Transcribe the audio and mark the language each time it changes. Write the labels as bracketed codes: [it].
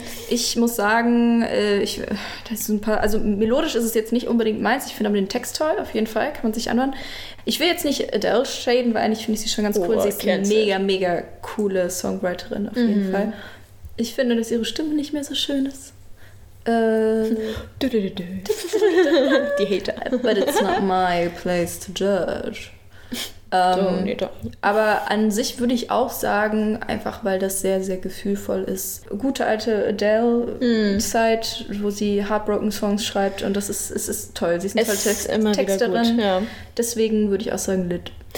[de] ich muss sagen, das ist ein paar, also melodisch ist es jetzt nicht unbedingt meins. Ich finde aber den Text toll, auf jeden Fall. Kann man sich anhören. Ich will jetzt nicht Adele shaden, weil eigentlich finde ich sie schon ganz cool. Sie ist eine mega, mega coole Songwriterin, auf jeden Fall. Ich finde, dass ihre Stimme nicht mehr so schön ist. Die Hater. [en] But it's not my place to judge. [de] Aber an sich würde ich auch sagen, einfach weil das sehr, sehr gefühlvoll ist. Gute alte Adele-Zeit, wo sie Heartbroken-Songs schreibt und das ist, es ist toll. Sie ist eine tolle Texterin. Ja. Deswegen würde ich auch sagen, lit.